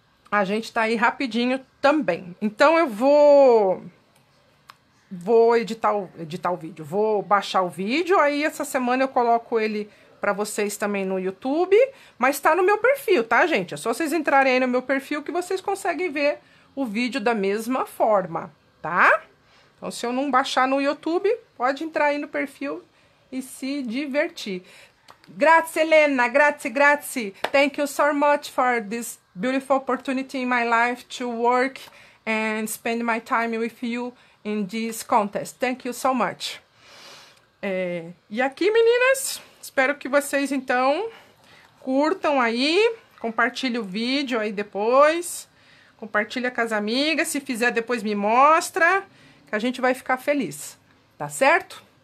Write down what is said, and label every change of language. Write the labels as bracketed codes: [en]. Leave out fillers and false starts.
[pt] A gente tá aí rapidinho também. Então eu vou editar o vídeo, vou baixar o vídeo, aí essa semana eu coloco ele pra vocês também no YouTube, mas tá no meu perfil, tá, gente? É só vocês entrarem aí no meu perfil que vocês conseguem ver o vídeo da mesma forma, tá? Então, se eu não baixar no YouTube, pode entrar aí no perfil e se divertir. [it] Grazie, Helena! Grazie, grazie! [en] Thank you so much for this beautiful opportunity in my life to work and spend my time with you in this contest. Thank you so much. [pt] E aqui, meninas, espero que vocês, então, curtam aí, compartilhem o vídeo aí depois, compartilha com as amigas, se fizer depois me mostra, que a gente vai ficar feliz, tá certo?